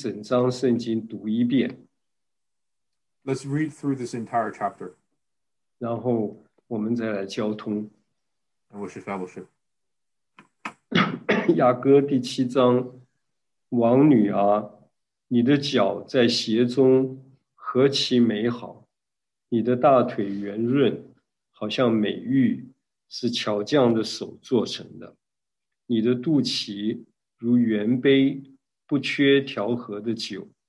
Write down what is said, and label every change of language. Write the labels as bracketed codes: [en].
[zh] 今天我们好不好还是先开头的时候,把这一整章圣经读一遍。 [en] Let's read through this entire chapter. [zh] 然后, 我们再来交通 [en] And what's your fellowship? [zh] 雅歌第七章 王女啊 你的脚在鞋中 何其美好 你的大腿圆润 好像美玉 是巧匠的手做成的 你的肚脐 如圆杯 不缺调和的酒